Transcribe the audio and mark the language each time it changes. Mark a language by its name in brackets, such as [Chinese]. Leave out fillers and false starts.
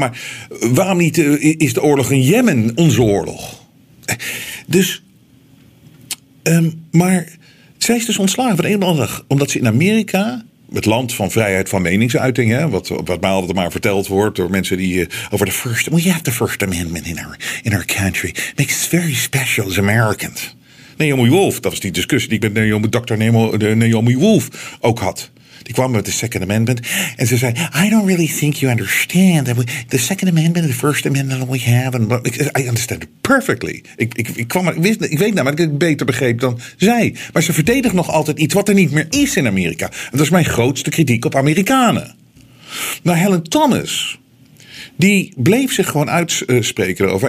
[Dutch] Maar waarom niet is de oorlog in Jemen onze oorlog? Dus, maar zij is dus ontslagen van een of andere, omdat ze in Amerika, het land van vrijheid van meningsuiting, hè, wat mij altijd maar verteld wordt door mensen die over de first, [English] well, you have the First Amendment in our country. Makes us very special as Americans. [Dutch] Naomi Wolf, dat was die discussie die ik met Naomi Wolf ook had. Die kwam met de Second Amendment. En ze zei, [English] I don't really think you understand. The Second Amendment, the First Amendment that we have. And I understand it perfectly. [Dutch] Ik weet namelijk dat ik het beter begreep dan zij. Maar ze verdedigt nog altijd iets wat er niet meer is in Amerika. En dat is mijn grootste kritiek op Amerikanen. Nou, Helen Thomas, die bleef zich gewoon uitspreken over.